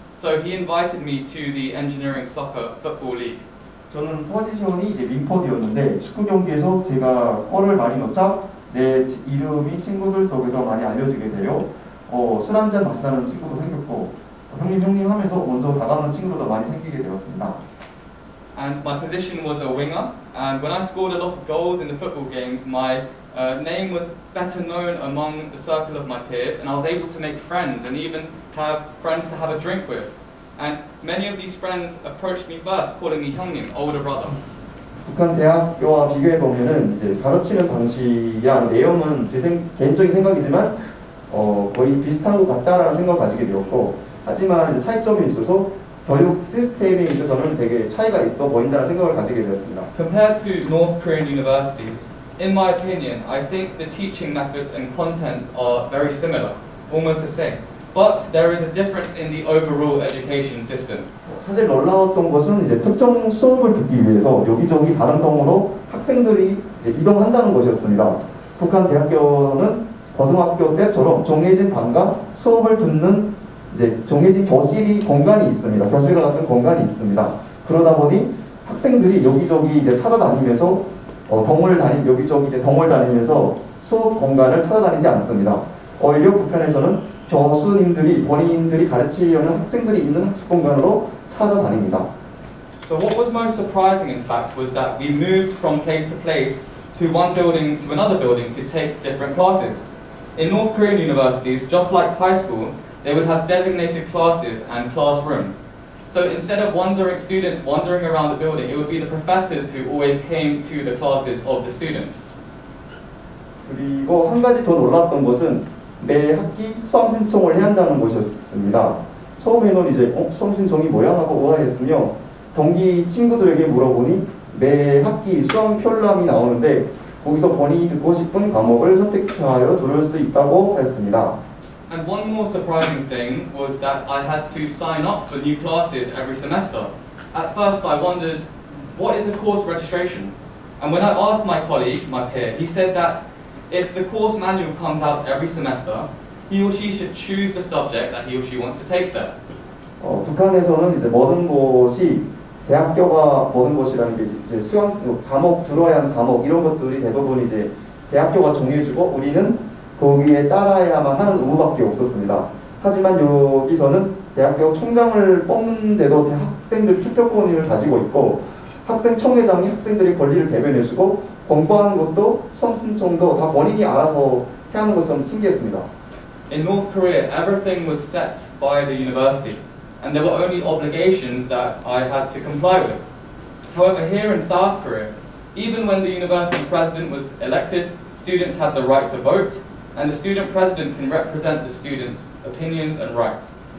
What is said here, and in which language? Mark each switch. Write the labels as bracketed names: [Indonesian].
[English] So he invited me to the engineering soccer football league. [Korean] 저는 포지션이 이제 윙포드였는데 축구 경기에서 제가 골을 많이 넣자 내 이름이 친구들 속에서 많이 알려지게 되어 술 한잔 같이 사는 친구도 생겼고 형님 하면서 먼저 다가오는 친구도 많이 생기게 되었습니다. [English] And my position was a winger, and when I scored a lot of goals in the football games, my name was better known among the circle of my peers, and I was able to make friends and even have friends to have a drink with. And many of these friends approached me first, calling me 형님, older brother. [Korean] 북한 대학교와 비교해 보면은 이제 가르치는 방식이야 내용은 개인적인 생각이지만 거의 비슷한 것 같다라는 생각을 가지게 되었고 하지만 이제 차이점이 있어서 교육 시스템에 있어서는 되게 차이가 있어 보인다는 생각을 가지게 되었습니다. [English] Compared to North Korean universities, in my opinion, I think the teaching methods and contents are very similar, almost the same. But there is a difference in the overall education system. [Korean] 사실 놀라웠던 것은 이제 특정 수업을 듣기 위해서 여기저기 다른 동으로 학생들이 이제 이동한다는 것이었습니다. 북한 대학교는 고등학교 때처럼 정해진 방과 수업을 듣는 이제 정해진 교실이 공간이 있습니다. 교실과 같은 공간이 있습니다. 그러다 보니 학생들이 여기저기 이제 찾아다니면서 여기저기 이제 동을 다니면서 수업 공간을 찾아다니지 않습니다. 오히려 북한에서는 교수님들이 본인들이 가르치려는 학생들이 있는 학습 공간으로 찾아다닙니다. [English] So what was most surprising, in fact, was that we moved from place to place, to one building to another building to take different classes. In North Korean universities, just like high school, they would have designated classes and classrooms. So instead of students wandering around the building, it would be the professors who always came to the classes of the students. [Korean] 그리고 한 가지 더 놀랐던 것은 매 학기 수험 신청을 해야 한다는 것이었습니다. 처음에는 이제 수험 신청이 뭐야 하고 오해했으며 동기 친구들에게 물어보니 매 학기 수험 편람이 나오는데 거기서 본인이 듣고 싶은 과목을 선택하여 들을 수 있다고 했습니다. [English] And one more surprising thing was that I had to sign up for new classes every semester. At first, I wondered, what is a course registration? And when I asked my colleague, my peer, he said that if the course manual comes out every semester, he or she should choose the subject that he or she wants to take there. [Korean] 북한에서는 이제 모든 것이 대학교가 모든 것이라는 게 이제 과목 들어야 하는 과목 이런 것들이 대부분 이제 대학교가 정해주고 우리는 거기에 따라야만 하는 의무밖에 없었습니다. 하지만 여기서는 대학교 총장을 뽑는데도 학생들 투표권을 가지고 있고 학생 총회장이 학생들의 권리를 대변해주고 공부하는 것도 수험 신청도 다 본인이 알아서 해야 하는 것은 신기했습니다. [English] In North Korea, everything was set by the university, and there were only obligations that I had to comply with. However, here in South Korea, even when the university president was elected, students had the right to vote. And the student president can represent the students' opinions and rights.